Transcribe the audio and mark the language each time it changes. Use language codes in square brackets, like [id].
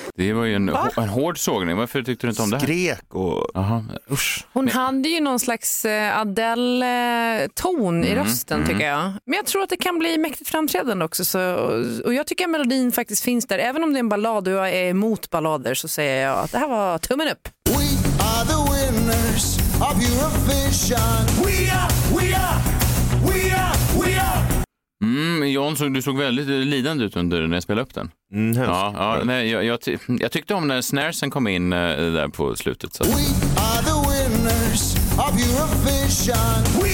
[sv] Det var ju en hård sågning. Varför tyckte du inte om det här? Skrek och... Aha. Usch. Hon hade ju någon slags Adele-ton i rösten, tycker jag. Men jag tror att det kan bli mäktigt framträdande också. Så, och jag tycker att melodin faktiskt finns där. Även om det är en ballad och jag är emot ballader, så säger jag att det här var tummen upp. [en] We are the winners of Eurovision. We are. [sv] Mm, Jonsson, du såg väldigt lidande ut under när jag spelade upp den. Mm, ja, nej, jag tyckte om när snaresen kom in där på slutet. Så. [en] We are the winners of Eurovision.